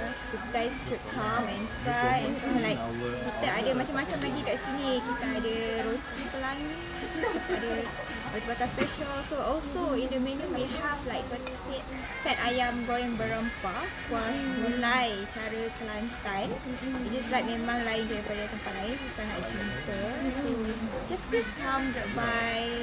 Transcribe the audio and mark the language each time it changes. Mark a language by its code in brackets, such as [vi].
[en] You guys should come and try. And so, like, [ms] kita ada macam-macam lagi kat sini. Kita ada roti pelangi. Ada roti bakar special. [en] So, also in the menu, we have like set ayam goreng berempah. [ms] Kuah mulai cara Kelantan. [en] It is like [ms] memang lain daripada tempat lain. Susah nak jumpa. [en] So just please come drop by.